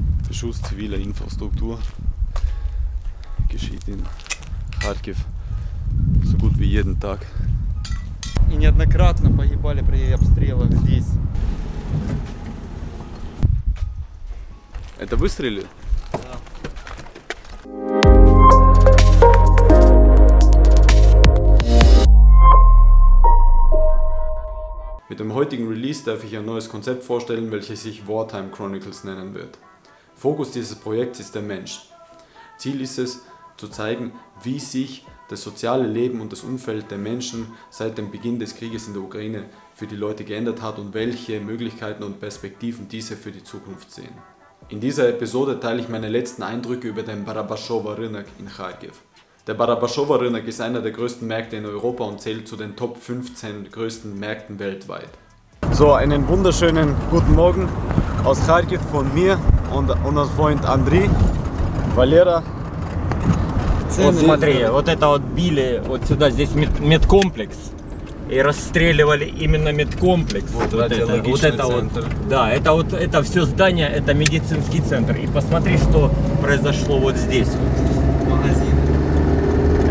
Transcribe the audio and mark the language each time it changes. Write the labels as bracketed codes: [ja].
[de] Schuss ziviler Infrastruktur geschieht in Kharkiv so gut wie jeden Tag. [ru] И неоднократно погибали при обстрелах здесь. Это выстрелили? [de] Mit dem heutigen Release darf ich ein neues Konzept vorstellen, welches sich Wartime Chronicles nennen wird. Fokus dieses Projekts ist der Mensch. Ziel ist es, zu zeigen, wie sich das soziale Leben und das Umfeld der Menschen seit dem Beginn des Krieges in der Ukraine für die Leute geändert hat und welche Möglichkeiten und Perspektiven diese für die Zukunft sehen. In dieser Episode teile ich meine letzten Eindrücke über den Barabaschowa Rynak in Kharkiv. Der Barabaschowa Rynak ist einer der größten Märkte in Europa und zählt zu den Top 15 größten Märkten weltweit. So, einen wunderschönen guten Morgen aus Kharkiv von mir und unserem Freund Andriy, Valera. [ru] Вот смотри, вот это вот били вот сюда, здесь медкомплекс. И расстреливали именно медкомплекс. Это все здание, это медицинский центр. И посмотри, что произошло вот здесь. Магазин.